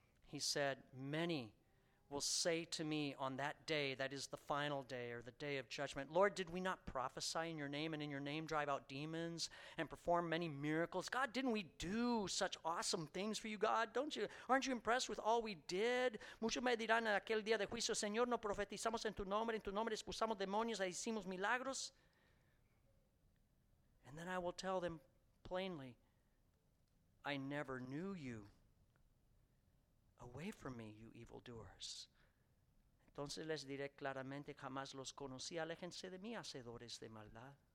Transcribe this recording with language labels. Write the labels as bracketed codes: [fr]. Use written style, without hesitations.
[en] He said, many will say to me on that day, that is the final day or the day of judgment, Lord, did we not prophesy in your name and in your name drive out demons and perform many miracles? God, didn't we do such awesome things for you, God? Aren't you impressed with all we did? [es] Muchos me dirán en aquel día de juicio, Señor, no profetizamos en tu nombre expulsamos demonios, hicimos milagros. [en] And then I will tell them plainly, I never knew you. Away from me, you evildoers. [es] Entonces les diré claramente, jamás los conocí. Aléjense de mí, hacedores de maldad.